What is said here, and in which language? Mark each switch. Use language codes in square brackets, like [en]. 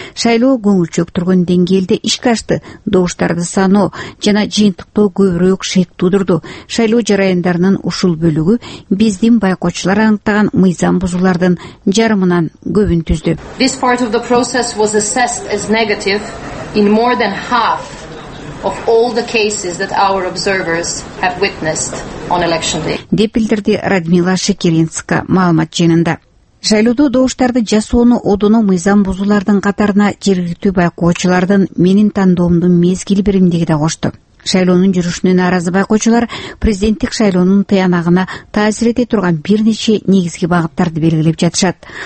[ky] Шайлоо көңүл чөктүргөн деңгээлде ишке ашты. Добуштарды саноо жана жыйынтыктоо көбүрөөк шек туудурду. Шайлоо жараяндарынын ушул бөлүгү биздин байкоочулар аныктаган мыйзам бузуулардын жарымынан көбүн түздү. [en] This part of the process was assessed as negative in more than half of all the cases that our observers have witnessed on election day. [ky] Деп билдирди Радмила Шекеринска маалымат жыйынында. Шайлоодо добуштарды жасоону ОДОНО мыйзам бузуулардын катарына жергиликтүү байкоочулардын менин тандоомдун мезгили биримдиги да кошту. Шайлоонун жүрүшүнө нааразы байкоочулар президенттик шайлоонун тыянагына таасир эте турган бир нече негизги багыттарды белгилеп жатышат.